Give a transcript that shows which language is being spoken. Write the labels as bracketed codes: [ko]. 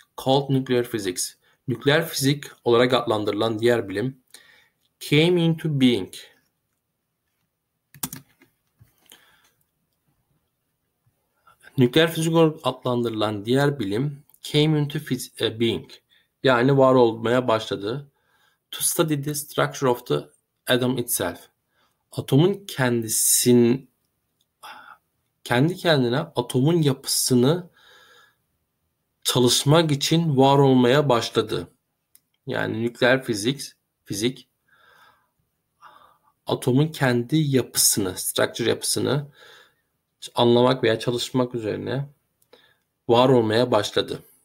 [en] Called nuclear physics. [tr] Nükleer fizik olarak adlandırılan diğer bilim [en] came into being. [tr] Nükleer fizik olarak adlandırılan diğer bilim [en] came into being. [tr] Yani var olmaya başladı. [en] To study the structure of the atom itself. [tr] Atomun kendi kendine atomun yapısını çalışmak için var olmaya başladı. Yani nükleer fizik atomun kendi yapısını, structure yapısını anlamak veya çalışmak üzerine var olmaya başladı.